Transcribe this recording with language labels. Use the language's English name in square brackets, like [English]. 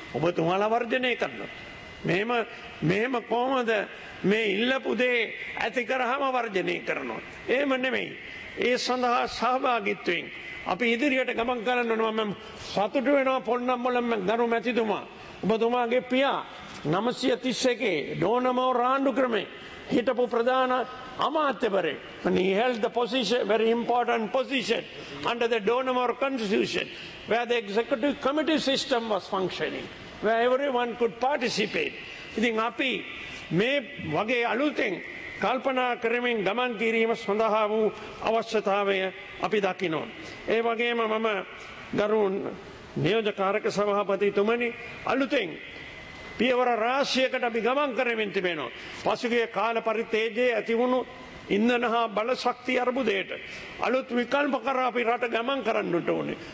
[Sinhala] ඔබ තුමාලා වර්ජනය කරනවා. මෙහෙම කොහොමද මේ ඉල්ලපු දේ ඇති කරහම වර්ජනය කරනවා? එහෙම නෙමෙයි. ඒ සඳහා සහභාගීත්වයෙන් අපි ඉදිරියට ගමන් කරන්න ඕන. මම සතුටු වෙනවා පොන්නම්බල ගරු මැතිතුමා, ඔබතුමාගේ පියා 931 ඩෝනමෝ රාණ්ඩු ක්‍රමේ හිටපු ප්‍රධාන අමාත්‍යවරේ. [English] And he held the position, very important position, under the Donamore Constitution, where the executive committee system was functioning, where everyone could participate. [Sinhala] ඉතින් අපි මේ වගේ අලුතෙන් කල්පනා කරමින් ගමන් කිරීම සඳහා වූ අවශ්‍යතාවය අපි දකිනවා. ඒ වගේම මම ගරු නියෝජ කාරක සභාපතිතුමනි, අලුතෙන් පියවර රාශියකට අපි ගමන් කරමින් තිබෙනවා. පසුගිය කාල පරිත්‍යජයේ ඇතිවුණු ඉන්ධන හා බලශක්ති අර්බුදයට අලුත් විකල්ප කර අපි රට ගමන් කරන්නට ඕනේ.